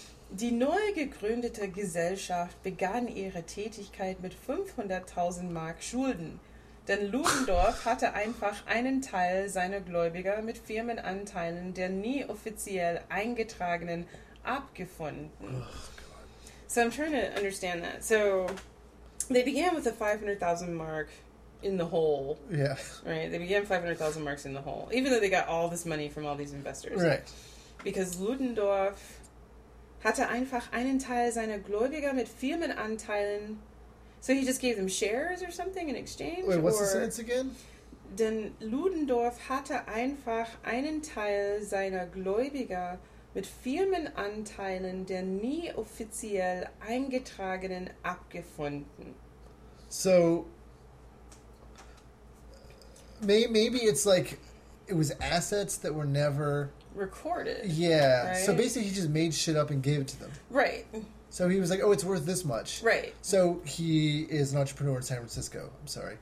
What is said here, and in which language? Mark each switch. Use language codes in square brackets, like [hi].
[de] Die neu gegründete Gesellschaft begann ihre Tätigkeit mit 500.000 Mark Schulden, denn Ludendorff hatte einfach einen Teil seiner Gläubiger mit Firmenanteilen der nie offiziell eingetragenen abgefunden. [en] So I'm trying to understand that. So they began with a 500,000 mark in the hole. Yeah. Right? They began 500,000 marks in the hole, even though they got all this money from all these investors. Right. Because [de] Ludendorff hatte einfach einen Teil seiner Gläubiger mit Firmenanteilen. [en] So he just gave them shares or something in exchange? Wait, what's or, the sentence again? [de] Denn Ludendorff hatte einfach einen Teil seiner Gläubiger mit Firmenanteilen der nie offiziell eingetragenen abgefunden. [en] So, maybe it's like it was assets that were never recorded. Yeah. Right? So basically he just made shit up and gave it to them. Right. So he was like, oh, it's worth this much. Right. So he is an entrepreneur in San Francisco. I'm sorry.